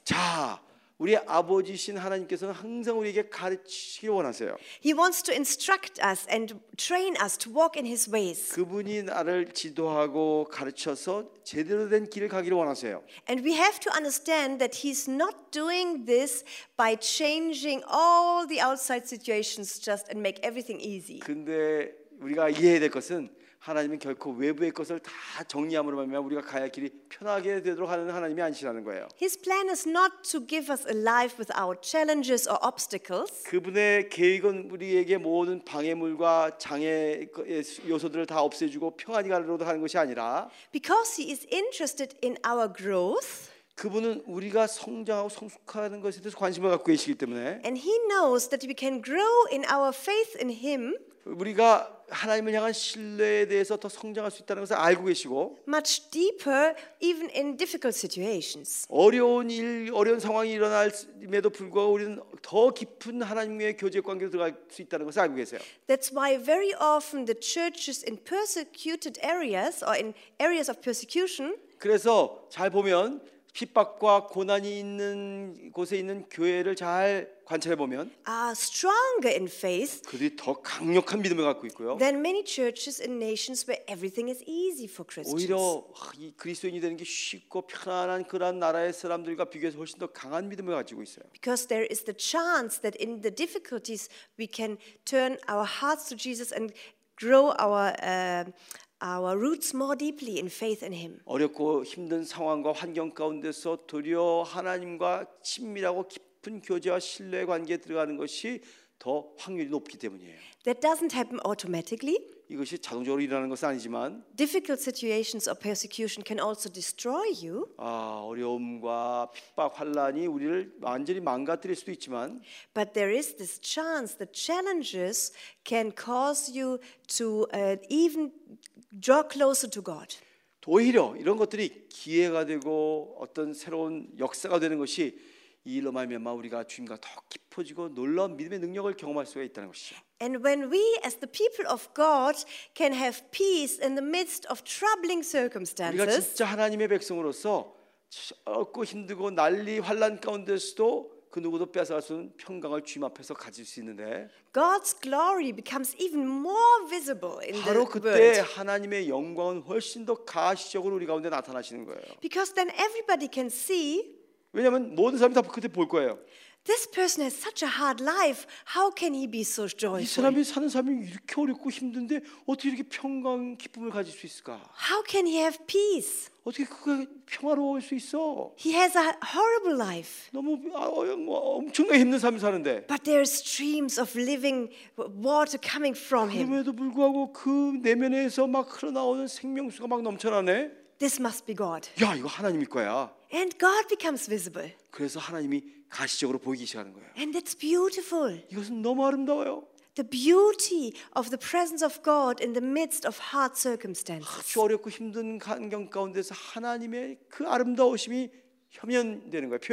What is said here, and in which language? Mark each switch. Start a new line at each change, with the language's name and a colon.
Korean: 자, 우리 아버지신 하나님께서는 항상 우리에게 가르치기 원하세요.
English: He wants to instruct us and train us to walk in His ways.
Korean: 그분이 나를 지도하고 가르쳐서 제대로 된 길을 가기를 원하세요.
English: And we have to understand that He's not doing this by changing all the outside situations just and make everything easy.
Korean: 근데 우리가 이해해야 될 것은 하나님은 결코 외부의 것을 다 정리함으로 말미암아 우리가 가야 길이 편하게 되도록 하는 하나님이 아니시라는 거예요.
English: His plan is not to give us a life without challenges or obstacles.
Korean: 그분의 계획은 우리에게 모든 방해물과 장애의 요소들을 다 없애주고 평안히 가려고 하는 것이 아니라
English: Because he is interested in our growth.
Korean: 그분은 우리가 성장하고 성숙하는 것에 대해서 관심을 갖고 계시기 때문에
English: And he knows that we can grow in our faith in him.
Korean: 우리가 하나님을 향한 신뢰에 대해서 더 성장할 수 있다는 것을 알고 계시고
English: much deeper even in difficult situations
Korean: 어려운 일 어려운 상황이 일어날에도 불구하고 우리는 더 깊은 하나님과의 교제 관계로 들어갈 수 있다는 것을 알고 계세요.
English: That's why very often the churches in persecuted areas or in areas of persecution
Korean: 그래서 잘 보면 핍박과 고난이 있는 곳에 있는 교회를 잘 관찰해 보면
English: stronger in faith.
Korean: 그들이 더 강력한 믿음을 갖고 있고요.
English: Than many churches in nations where everything is easy for Christians.
Korean: 오히려 이 그리스도인이 되는 게 쉽고 편안한 그런 나라의 사람들과 비교해서 훨씬 더 강한 믿음을 가지고 있어요.
English: Because there is the chance that in the difficulties we can turn our hearts to Jesus and grow our roots more deeply in faith in him.
Korean: 어렵고 힘든 상황과 환경 가운데서 도리어 하나님과 친밀하고 깊은 교제와 신뢰 관계에 들어가는 것이 더 확률이 높기 때문이에요.
English: That doesn't happen automatically.
Korean: 이것이 자동적으로 일어나는 것은 아니지만
English: difficult situations or persecution can also destroy you.
Korean: 어려움과 핍박 환란이 우리를 완전히 망가뜨릴 수도 있지만
English: but there is this chance that challenges can cause you to even draw closer to God.
Korean: 오히려 이런 것들이 기회가 되고 어떤 새로운 역사가 되는 것이 이 일로 말미암아 우리가 주님과 더 깊어지고 놀라운 믿음의 능력을 경험할 수가 있다는 것이죠.
English: And when we as the people of God can have peace in the midst of troubling circumstances.
Korean: 우리가 진짜 하나님의 백성으로서 어렵고 힘들고 난리 환란 가운데서도 그 누구도 빼앗아갈 수 없는 평강을 주님 앞에서 가질 수 있는데
English: God's glory becomes even more visible in the world.
Korean: 바로 그때 하나님의 영광은 훨씬 더 가시적으로 우리 가운데 나타나시는 거예요.
English: Because then everybody can see
Korean: 왜냐면 모든 사람이 다 그때 볼 거예요.
English: This person has such a hard life. How can he be so joyful?
Korean: 이 사람이 사는 삶이 이렇게 어렵고 힘든데 어떻게 이렇게 평강 기쁨을 가질 수 있을까?
English: How can he have peace?
Korean: 어떻게 그가 평화로울 수 있어?
English: He has a horrible life.
Korean: 너무 엄청나게 힘든 삶을 사는데.
English: But there are streams of living water coming from him.
Korean: 그럼에도 불구하고 그 내면에서 막 흘러나오는 생명수가 막 넘쳐나네.
English: This must be God.
Korean: 야, 이거 하나님일 거야.
English: And God becomes visible.
Korean: 그래서 하나님이 가시적으로 보이기 시작하는 거예요.
English: And it's beautiful.
Korean: 이것은 너무 아름다워요.
English: The beauty of the presence of God in the midst of hard circumstances.
Korean: 아주 어렵고 힘든 환경 가운데서 하나님의 그 아름다우심이 표현되는 거예요.